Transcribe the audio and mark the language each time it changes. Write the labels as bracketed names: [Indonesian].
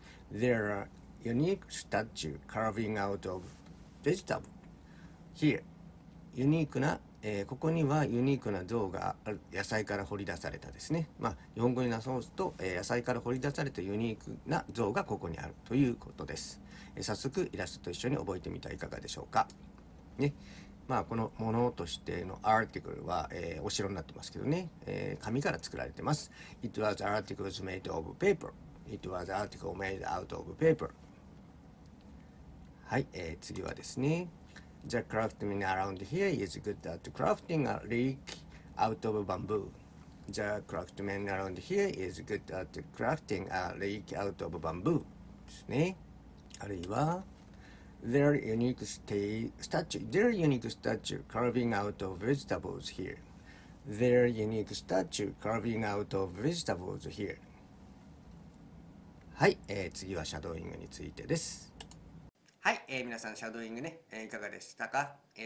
[English] There are unique statues carving out of vegetables here. [Japanese] ユニークな、ここにはユニークな像がある、野菜から掘り出されたですね。まあ日本語になそうすと、野菜から掘り出されたユニークな像がここにあるということです。早速イラストと一緒に覚えてみてはいかがでしょうかね。まあこのものとしてのアーティクルは、お城になってますけどね、紙から作られてます。 [English] It was articles made of paper. It was articles made out of paper. [Japanese] はい、次はですね、 [English] The craftsman around here is good at crafting a lake out of bamboo. The craftsman around here is good at crafting a lake out of bamboo. [Japanese] ですね。あるいは、 [English] There are unique statue carving out of vegetables here. There are unique statue carving out of vegetables here. [Japanese] はい、次はシャドーイングについてです。はい、皆さんシャドーイングね、いかがでしたか。